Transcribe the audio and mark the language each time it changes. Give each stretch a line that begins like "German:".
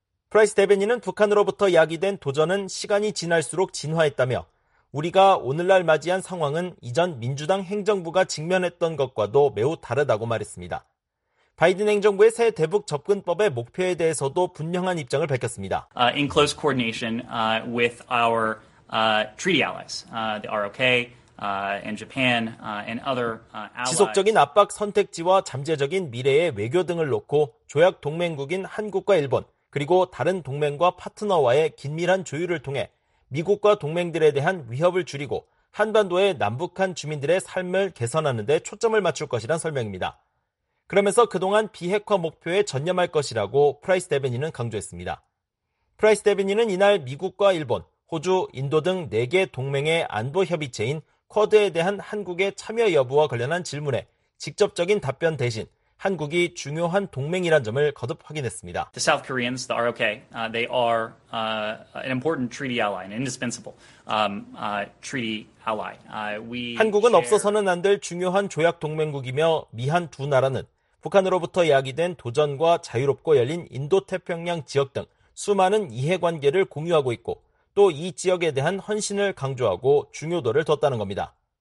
Korean: 프라이스 대변인은 북한으로부터 야기된 도전은 시간이 지날수록 진화했다며 우리가 오늘날 맞이한 상황은 이전 민주당 행정부가 직면했던 것과도 매우 다르다고 말했습니다. 바이든 행정부의 새 대북 접근법의 목표에 대해서도 분명한 입장을 밝혔습니다.
English: In close coordination with our treaty allies, the ROK, and Japan and other allies.
Korean: 지속적인 압박 선택지와 잠재적인 미래의 외교 등을 놓고 조약 동맹국인 한국과 일본 그리고 다른 동맹과 파트너와의 긴밀한 조율을 통해 미국과 동맹들에 대한 위협을 줄이고 한반도의 남북한 주민들의 삶을 개선하는 데 초점을 맞출 것이란 설명입니다. 그러면서 그동안 비핵화 목표에 전념할 것이라고 프라이스 데베니는 강조했습니다. 프라이스 데베니는 이날 미국과 일본, 호주, 인도 등 4개 동맹의 안보 협의체인 쿼드에 대한 한국의 참여 여부와 관련한 질문에 직접적인 답변 대신 한국이 중요한 동맹이란 점을 거듭 확인했습니다.
English: The South Koreans, the ROK, they are an important treaty ally, an indispensable treaty ally.
Korean: 한국은 없어서는 안 될 중요한 조약 동맹국이며 미한 두 나라는 북한으로부터 야기된 도전과 자유롭고 열린 인도태평양 지역 등 수많은 이해관계를 공유하고 있고 또 이 지역에 대한 헌신을 강조하고 중요도를 뒀다는 겁니다.